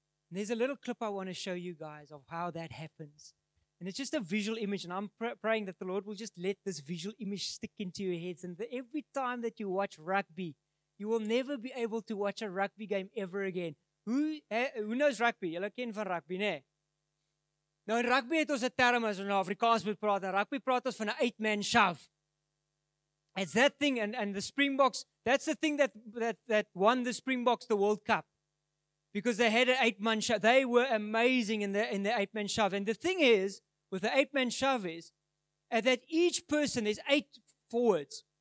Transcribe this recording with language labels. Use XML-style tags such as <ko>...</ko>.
<en>And there's a little clip I want to show you guys of how that happens. And it's just a visual image, and I'm praying that the Lord will just let this visual image stick into your heads. And that every time that you watch rugby, you will never be able to watch a rugby game ever again. Who knows rugby?</en> <af>Jullie ken van rugby, né? Nou, in rugby het ons 'n term as ons Afrikaans moet praat. In rugby praat ons van 'n 8-man shove.</af> <en>It's that thing, and the Springboks, that's the thing that won the Springboks the World Cup. Because they had an 8-man shove. They were amazing in the 8-man shove. And the thing is, with the 8-man shove is, that each person, there's 8 forwards.</en>